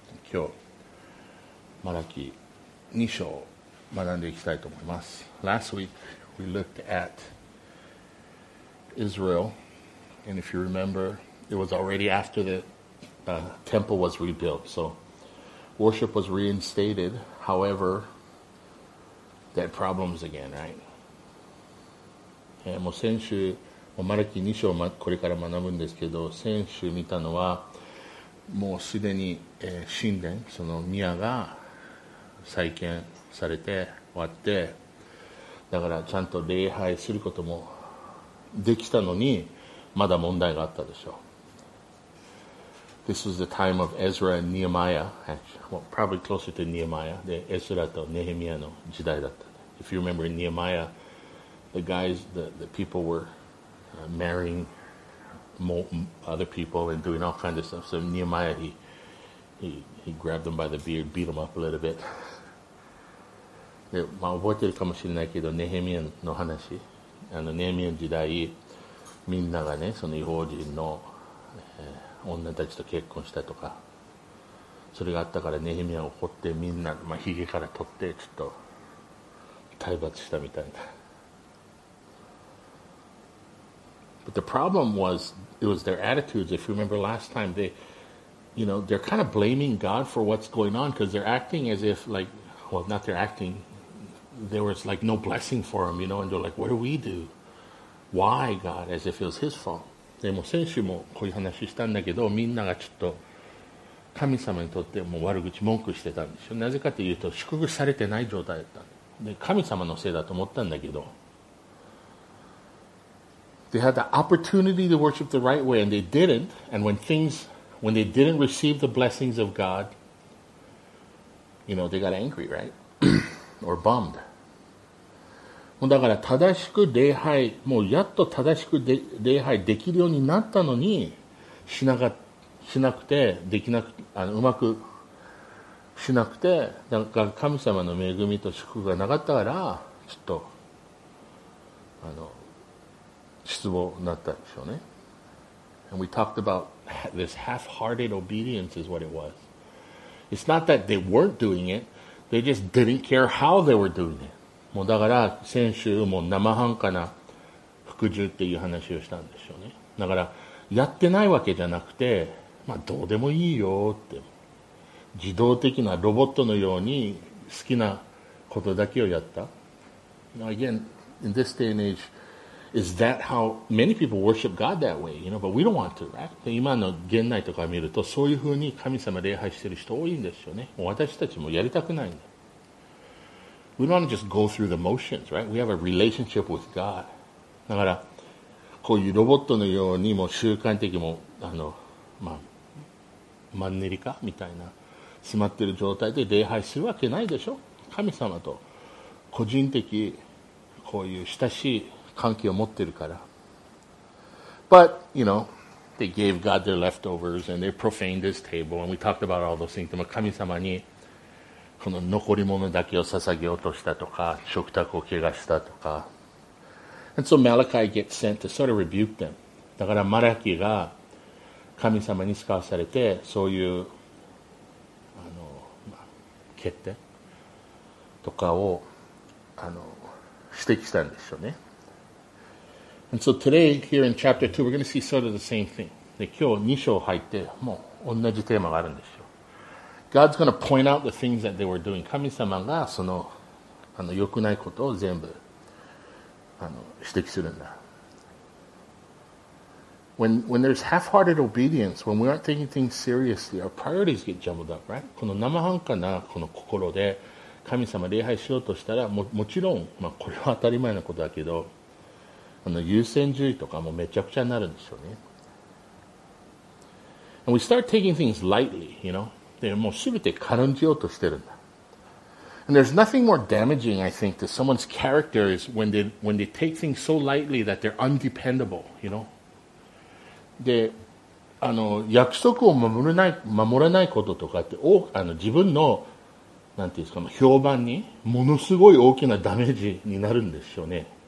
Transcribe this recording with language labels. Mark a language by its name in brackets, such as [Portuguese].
[Japanese] 今日、マラキ2章を学んでいきたいと思います。 [English] Last week, we looked at Israel. And if you remember, it was already after the temple was rebuilt. So, worship was reinstated. However, they had problems again, right? [Japanese] もう先週、もうマラキ2章をこれから学ぶんですけど、先週見たのは、もうすでに神殿、その宮が再建されて終わって、だからちゃんと礼拝することもできたのに、まだ問題があったでしょう。 [English] This was the time of Ezra and Nehemiah, actually, well, probably closer to Nehemiah, the Ezra to Nehemiah [Japanese] の時代だった。 [English] If you remember Nehemiah, the guys, the people were marrying other people and doing all kinds of stuff. So Nehemiah, he grabbed them by the beard, beat them up a little bit. [Japanese] で、まあ覚えてるかもしれないけど、ネヘミヤの話、ネヘミヤの時代、みんながね、その異邦人の女たちと結婚したとか、それがあったからネヘミヤ怒ってみんな、まあ、ヒゲから取ってちょっと体罰したみたいな。 [English] But the problem was, it was their attitudes. If you remember last time, they, you know, they're kind of blaming God for what's going on because they're acting as if like, well, not they're acting, there was like no blessing for them, you know, and they're like, what do we do? Why, God? As if it was his fault. [Japanese] でも先週もこういう話したんだけど、みんながちょっと神様にとってもう悪口、文句してたんでしょ。なぜかというと、祝福されてない状態だった。で、神様のせいだと思ったんだけど、 [English] They had the opportunity to worship the right way, and they didn't. And when they didn't receive the blessings of God, you know, they got angry, right? Or bummed. [Japanese] もうだから正しく礼拝、もうやっと正しく礼拝できるようになったのに、しなくて、できなく、うまくしなくて、だから神様の恵みと祝福がなかったから、ちょっと、失望になったでしょうね。 [English] And we talked about this half-hearted obedience is what it was. It's not that they weren't doing it, they just didn't care how they were doing it. [Japanese] もうだから先週も生半可な服従っていう話をしたんでしょうね。だからやってないわけじゃなくて、まあどうでもいいよって。自動的なロボットのように好きなことだけをやった。 [English] Now again, in this day and age,Is that how many people worship God that way? You know, but we don't want to, right? [Japanese] で、今の現代とか見ると、そういうふうに神様礼拝してる人多いんですよね。もう私たちもやりたくないんだ。 [English] We don't want to just go through the motions, right? We have a relationship with God. [Japanese] だから、こういうロボットのようにもう習慣的にも、まあ、マンネリ化みたいな、詰まってる状態で礼拝するわけないでしょ。神様と個人的、こういう親しい、関係を持ってるから。 [English] But, you know, they gave God their leftovers and they profaned his table and we talked about all those things. [Japanese] でも神様にこの残り物だけを捧げ落としたとか、食卓を汚したとか。 [English] And so Malachi gets sent to sort of rebuke them. [Japanese] だからマラキが神様に使わされて、そういう、決定とかを、指摘したんでしょうね。 [English] And so today, here in chapter 2, we're going to see sort of the same thing. [Japanese] で、今日2章入って、もう同じテーマがあるんですよ。 [English] God's going to point out the things that they were doing. [Japanese] 神様がその、良くないことを全部、指摘するんだ。 [English] When there's half-hearted obedience, when we aren't taking things seriously, our priorities get jumbled up, right? [Japanese] この生半可なこの心で神様礼拝しようとしたら、もちろん、まあこれは当たり前なことだけど、優先順位とかもめちゃくちゃになるんでしょうね。 [English] And we start taking things lightly, you know. [Japanese] でもう全て軽んじようとしてるんだ。 [English] And there's nothing more damaging, I think, to someone's character is when they take things so lightly that they're undependable, you know. [Japanese] で、約束を守らないこととかって、自分のなんていうんですか、評判にものすごい大きなダメージになるんですよね。